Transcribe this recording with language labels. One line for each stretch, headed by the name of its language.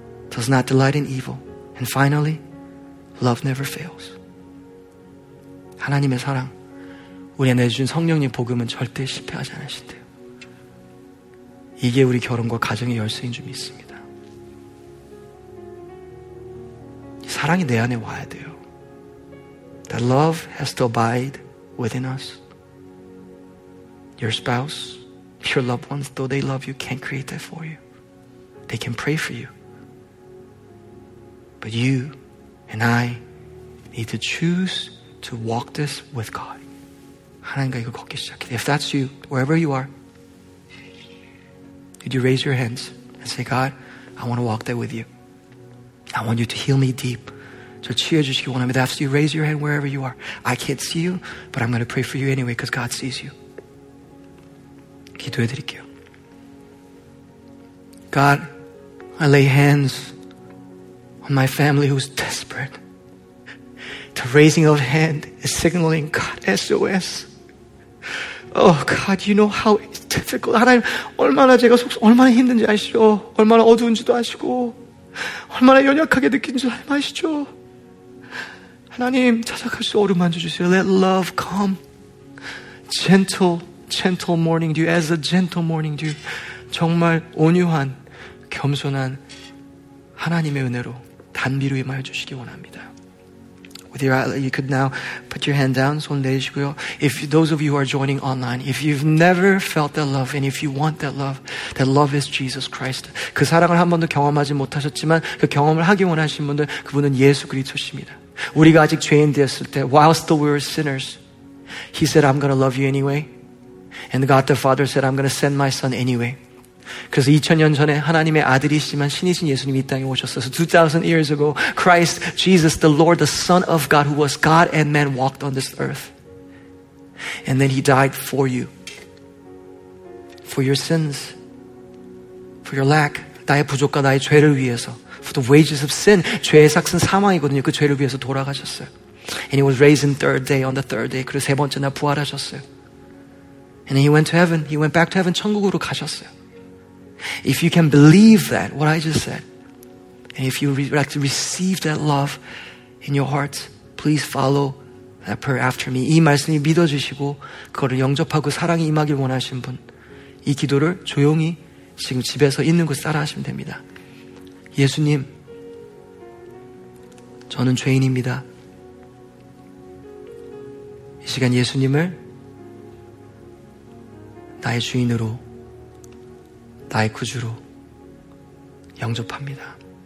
English: Does not delight in evil. And finally, love never fails.
Korean: 하나님의 사랑, 우리에게 내주신 성령님 복음은 절대 실패하지 않으신대요. 이게 우리 결혼과 가정의 열쇠인 줄 믿습니다. 사랑이 내 안에 와야 돼요.
English: That love has to abide within us. Your spouse, your loved ones, though they love you, can't create that for you. They can pray for you. But you and I need to choose to walk this with God.
Korean: 하나님과 이걸 걷기 시작해.
English: If that's you, wherever you are, could you raise your hands and say, God, I want to walk that with you. I want you to heal me deep.
Korean: 저 치유해주시기 원합니다.
English: That's you. Raise your hand wherever you are. I can't see you, but I'm going to pray for you anyway because God sees you.
Korean: 기도해 드릴게요.
English: God, I lay hands on my family who's desperate. The raising of hand is signaling God SOS. Oh God, you know how difficult.
Korean: 하나님, 얼마나 제가 속속 얼마나 힘든지 아시죠? 얼마나 어두운지도 아시고 얼마나 연약하게 느낀지 아시죠? 하나님, 찾아갈 수 얼음 만져주세요.
English: Let love come. Gentle, gentle morning dew. As a gentle morning dew.
Korean: 정말 온유한, 겸손한 하나님의 은혜로 단비로 임하여 주시기 원합니다.
English: With your eye, you could now put your hand down.
Korean: 손 내리시고요.
English: If those of you who are joining online, if you've never felt that love, and if you want that love is Jesus Christ.
Korean: 그 사랑을 한 번도 경험하지 못하셨지만 그 경험을 하기 원하신 분들, 그분은 예수 그리스도십니다. 우리가 아직 죄인 되었을 때,
English: while still we were sinners, He said, I'm going to love you anyway. And God the Father said, I'm going to send my son anyway.
Korean: 그래서 2000년 전에 하나님의 아들이시지만 신이신 예수님이 이 땅에 오셨어서
English: 2000 years ago, Christ Jesus, the Lord, the Son of God, who was God and man, walked on this earth. And then He died for you. For your sins. For your lack.
Korean: 나의 부족과 나의 죄를 위해서.
English: For the wages of sin,
Korean: 죄의 삭은 사망이거든요. 그 죄를 위해서 돌아가셨어요.
English: And He was raised in third day, on the third day.
Korean: 그리고 세 번째 날 부활하셨어요.
English: And He went to heaven. He went back to heaven.
Korean: 천국으로 가셨어요.
English: If you can believe that, what I just said, and if you like to receive that love in your heart, please follow that prayer after me.
Korean: 이 말씀이 믿어주시고 그거를 영접하고 사랑이 임하길 원하시는 분, 이 기도를 조용히 지금 집에서 있는 곳에 따라하시면 됩니다. 예수님, 저는 죄인입니다. 이 시간 예수님을 나의 주인으로, 나의 구주로 영접합니다.